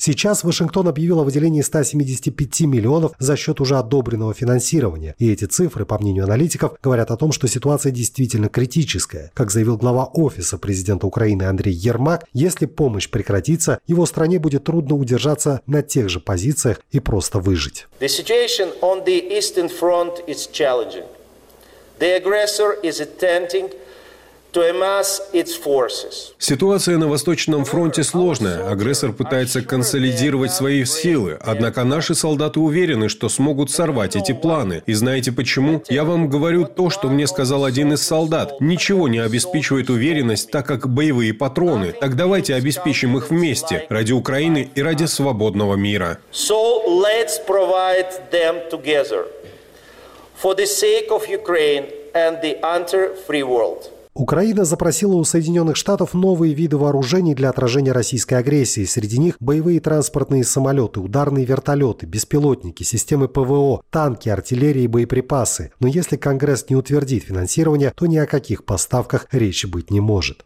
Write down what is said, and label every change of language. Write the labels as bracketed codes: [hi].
[ru] Сейчас Вашингтон объявил о выделении 175 миллионов за счет уже одобренного финансирования. И эти цифры, по мнению аналитиков, говорят о том, что ситуация действительно критическая. Как заявил глава офиса президента Украины Андрей Ермак, если помощь прекратится, его стране будет трудно удержаться на тех же позициях и просто выжить. [en] The situation on the Eastern Front is challenging. The aggressor is attempting to amass its forces. [ru] Ситуация на Восточном фронте сложная. Агрессор пытается консолидировать свои силы. Однако наши солдаты уверены, что смогут сорвать эти планы. И знаете почему? Я вам говорю то, что мне сказал один из солдат. Ничего не обеспечивает уверенность, так как боевые патроны. Так давайте обеспечим их вместе. Ради Украины и ради свободного мира. [en] So let's provide them together. For the sake of Ukraine and the anti-free world. [ru] Украина запросила у Соединенных Штатов новые виды вооружений для отражения российской агрессии. Среди них боевые транспортные самолеты, ударные вертолеты, беспилотники, системы ПВО, танки, артиллерия и боеприпасы. Но если Конгресс не утвердит финансирование, то ни о каких поставках речи быть не может.